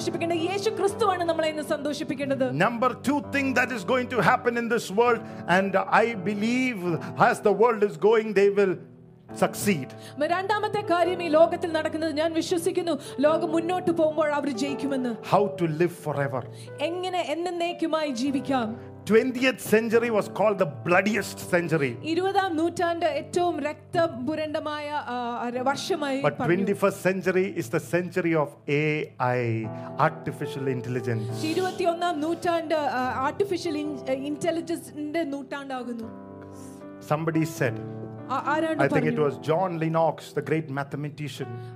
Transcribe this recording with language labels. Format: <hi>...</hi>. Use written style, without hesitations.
<en>Number two thing that is going to happen in this world, and I believe as the world is going, they will succeed.</en> <ml>രണ്ടാമത്തെ കാര്യം ഈ ലോകത്തിൽ നടക്കുന്നത് ഞാൻ വിശ്വസിക്കുന്നു, ലോകം മുന്നോട്ട് പോകുമ്പോൾ അവർ ജയിക്കുമെന്ന്.</ml> <en>How to live forever.</en> <ml>എങ്ങനെ എന്നേക്കുമായി ജീവിക്കാം.</ml> <en>20th century was called the bloodiest century.</en> <ml>20th നൂറ്റാണ്ടിലെ ഏറ്റവും രക്തപുരണ്ടമായ വർഷമായി പറഞ്ഞു.</ml> <en>But 21st century is the century of AI, artificial intelligence.</en> <ml>21st നൂറ്റാണ്ട് artificial intelligence നൂറ്റാണ്ടാകുന്നു.</ml> <en>Somebody said, I think it was John Lennox, the great mathematician.</en>